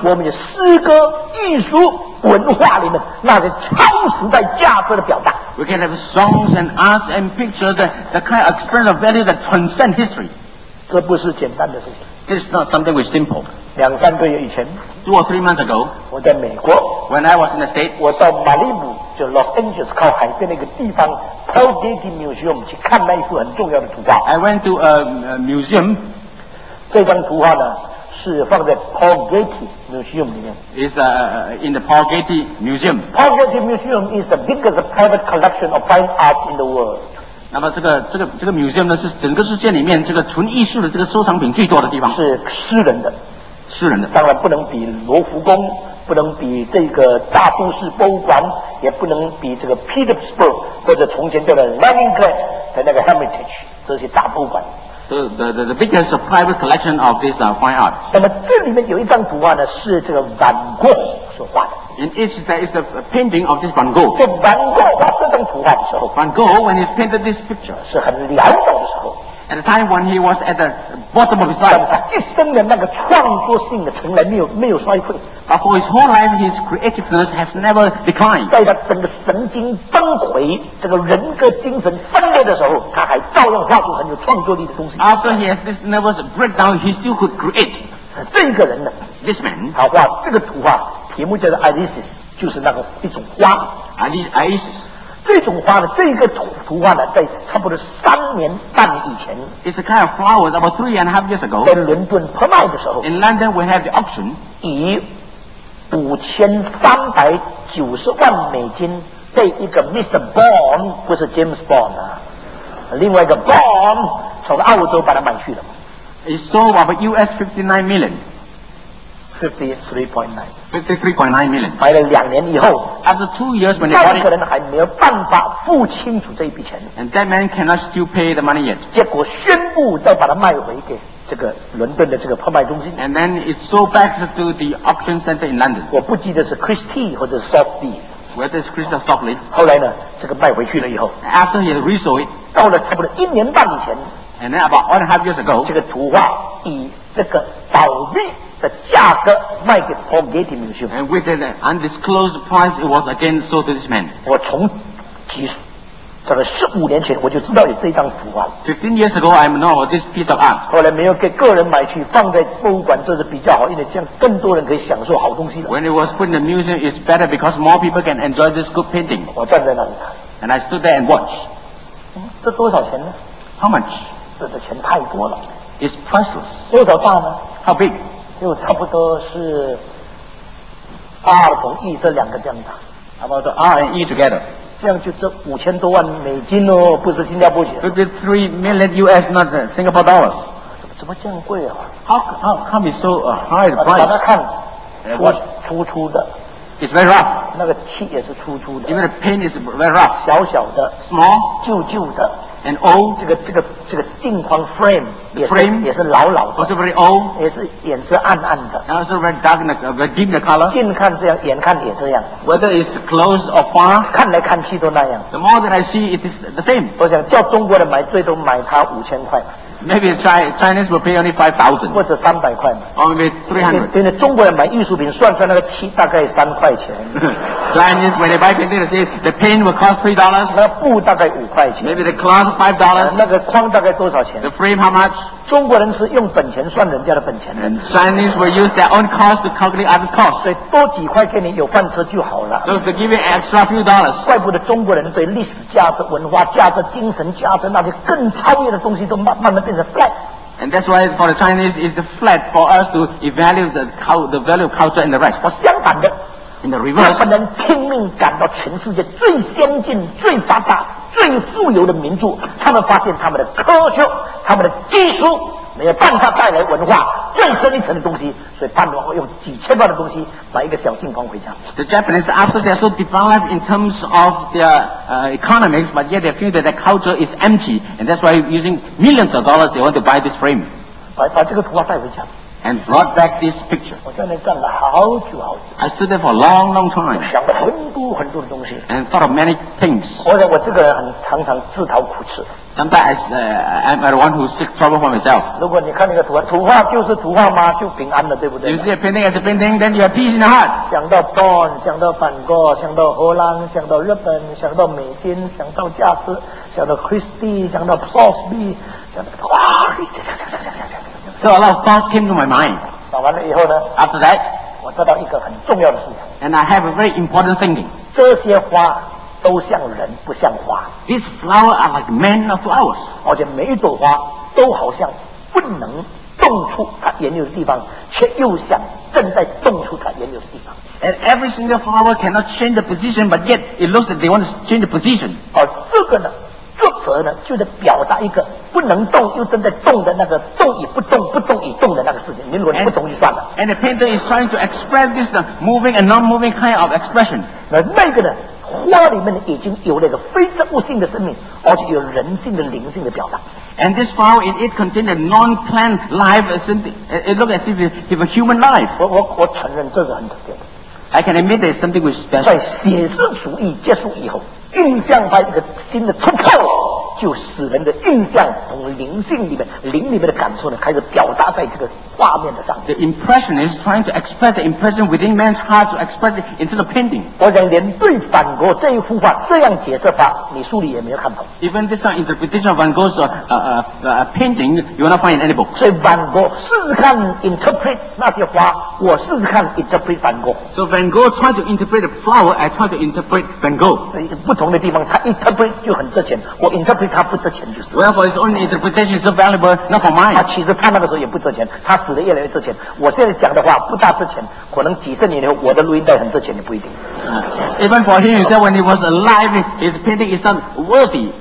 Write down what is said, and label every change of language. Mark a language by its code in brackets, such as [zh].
[zh] 我们的诗歌、艺术、文化里面那些超时代价值的表达。 [en] We can have songs and arts and pictures, the kind of expression of value that transcend history. [zh] 这不是简单的事情。 [en] This is not something we're simple. [zh] 两三个月以前 [en] ，two or three months ago, [zh] 我在美国 [en] ，when I was in the state, [zh] 我到马里姆就 Los Angeles 靠海边那个地方。 Paul Getty Museum 去看那一幅很重要的图画。 [en] I went to a museum. [zh] 这张图画呢是放在 Paul Getty Museum 里面。 [en] Is in the Paul Getty Museum. Paul Getty Museum is the biggest private collection of fine art in the world. [zh] 那么这个 museum 呢是整个世界里面这个纯艺术的这个收藏品最多的地方。是私人的。私人的。当然不能比罗浮宫，不能比这个大都市博物馆，也不能比这个 Petersburg 或者从前叫的 Leningrad 的那个 Hermitage 这些大博物馆。 [en] So the biggest private collection of this fine art. [zh] 那么这里面有一张图画呢，是这个 Van Gogh 所画的。 [en] In each there is a painting of this Van Gogh. [zh] 这 Van Gogh 画这张图画的时候 [en] ，Van Gogh when he painted this picture [zh] 是很潦倒的时候。 [en] At the time when he was at the bottom of his life, [zh] 他一生的那个创作性的从来没有衰退。 [en] But for his whole life, his creativeness has never declined. [zh] 在他整个神经崩溃、这个人格精神分裂的时候，他还照样画出很有创作力的东西。 [en] After he has this nervous breakdown, he still could create. [zh] 这个人呢 [en] ，This man, [zh] 他画这个图画，题目叫做 Isis， 就是那个一种花。 Isis。这种花呢，这个图画呢，在差不多三年半以前 [en] ，It's a kind of flowers about three and a half years ago， [zh] 在伦敦拍卖的时候 [en] ，In London we have the auction， [zh] 以5390万美金被一个 Mr. Bond， 不是 James Bond 啊，另外一个 Bond 从澳洲把它买去的 [en] ，It sold about US 59 million。 53.9 million. [zh] 买了两年以后 [en] ，After 2 years when he bought it, [zh] 那个人还没有办法付清楚这一笔钱。 [en] And that man cannot still pay the money yet. [zh] 结果宣布再把它卖回给这个伦敦的这个拍卖中心。 [en] And then it sold back to the auction center in London. [zh] 我不记得是 Christie 或者 Sotheby's。 [en] Whether it's Christie or Sotheby's. [zh] 后来呢，这个卖回去了以后 [en] ，After he resold it, [zh] 到了差不多一年半以前 [en] ，And then about 1.5 years ago, [zh] 这个图画以这个倒闭。的价格卖给 Paul Getty Museum， [en] and with an undisclosed price, it was again sold to this man. [zh] 我从几这个15年前我就知道有这张图画了。 [en] 15 years ago, I know this piece of art. [zh] 后来没有给个人买去，放在博物馆这是比较好，因为这样更多人可以享受好东西的。 [en] When it was put in the museum, it's better because more people can enjoy this good painting. [zh] 我站在那里看 [en] ，and I stood there and watched.、 [zh] 这多少钱呢 [en] ？How much？ [zh] 这个钱太多了。 [en] It's priceless. [zh] 多少大呢 [en] ？How big？ [zh] 就差不多是 R 和 E 这两个这样大 [en] ，about R and E together， [zh] 这样就这5000多万美金哦，不是新加坡钱。 [en] 53 million US， not Singapore dollars。 [zh] 怎么这样贵啊 [en] ？How come it's so high price？ [zh] 把它看，粗粗的 [en] ，it's very rough。 [zh] 那个漆也是粗粗的 [en] ，even the paint is very rough。 [zh] 小小的 [en] ，small， [zh] 旧旧的 [en] ，and old、 [zh] 这个。这个镜框 frame。 [en] The frame [zh] 也是老老的 [en] ，also very old， [zh] 也是眼色暗暗的 [en] ，also very dark and very dim the color。 [zh] 近看这样，眼看也这样。 [en] Whether it's close or far， [zh] 看来看去都那样。 [en] The more that I see, it is the same。 [zh] 我想叫中国人买，最多买它5000块。 [en] Maybe Chinese will pay only 5,000。 [zh] 或者300块。 [en] Or maybe 300。 [zh] 因为中国人买艺术品，算出来那个漆大概3块钱。 [en] Chinese when they buy painting, they say the paint will cost $3. [zh] 那布大概5块钱。 [en] Maybe the cloth $5. [zh] 那个框大概多少钱 [en] ？The frame how much？ [zh] 中国人是用本钱算人家的本钱。 [en] And Chinese will use their own cost to calculate others' cost. [zh] 所以多几块给你有饭吃就好了。 [en] So they give you extra few dollars. [zh] 怪不得中国人对历史价值、文化价值、精神价值那些更超越的东西都慢慢的变成 flat。 [en] And that's why for the Chinese is the flat for us to evaluate the value of culture and the rest. [zh] 我相反的。 [en] In the reverse, [zh] 他们能拼命赶到全世界最先进、最发达、最富有的民族，他们发现他们的科学、他们的技术没有帮他带来文化更深一层的东西，所以他们用几千万的东西买一个小信封回家。 [en] The Japanese, after they are so devalued in terms of their economics, but yet they feel that their culture is empty, and that's why using millions of dollars, they want to buy this frame. [zh] 把这个图画带回家。 [en] And brought back this picture. [zh] 我在那站了好久好久。 [en] I stood there for a long, long time. [zh] 想了很多很多的东西。 [en] And thought of many things. [zh] 我这个人很常常自讨苦吃。 [en] Sometimes I'm the one who seeks trouble for myself. [zh] 如果你看那个图画，图画就是图画嘛，就平安了，对不对 [en] ？You see a painting as a painting, then you have peace in the heart. [zh] 想到 Bond, 想到 Van Gogh, 想到荷兰，想到日本，想到美金，想到价值，想到 Christie, 想到 Crosby, 想到哇， [en] So a lot of thoughts came to my mind. [zh] 想完了以后呢 [en] ？After that, [zh] 我得到一个很重要的事情。 [en] And I have a very important thinking. [zh] 这些花。都像人不像花 [en] These flowers are like men or flowers [zh] 而且每一朵花都好像不能动出它原有的地方却又像正在动出它原有的地方 [en] And every single flower cannot change the position but yet it looks like they want to change the position [zh] 而这个呢这则呢就是表达一个不能动又正在动的那个动也不动不动也动的那个事情你如果不动就算了 [en] And the painter is trying to express this moving and non-moving kind of expression [zh] 那个呢花里面已经有了一个非植物性的生命，而且有人性的灵性的表达。 [en] And this flower, it contains a non-plant life, it looks as if it have a human life. [zh] 我承认这是很特别的。 [en] I can admit that something which is special. [zh] 在写实主义结束以后，印象派一个新的突破，就使人的印象从灵性里面、灵里面的感受呢，开始表达在这个画面的上面。 [en] The impression is trying to express the impression within man's heart to express it into the painting. [zh] 我想连对梵高这一幅画这样解释法，你书里也没有看到。 [en] Even this interpretation of Van Gogh's painting, you will not find in any book. [zh] 所以梵高试试看 interpret 那些花，我试试看 interpret 梵高。 [en] So Van Gogh tried to interpret a flower, I tried to interpret Van Gogh. [zh] 不同的地方，他 interpret 就很值钱，我 interpret 他不值钱就是。 [en] Well, for his own interpretation is so valuable, not for mine. [zh] 他其实他那个时候也不值钱，他死的越来越值钱。我现在讲的话不大值钱，可能几十年后我的录音带很值钱，也不一定。 [en] Even for him, he said when he was alive, his painting is not worthy.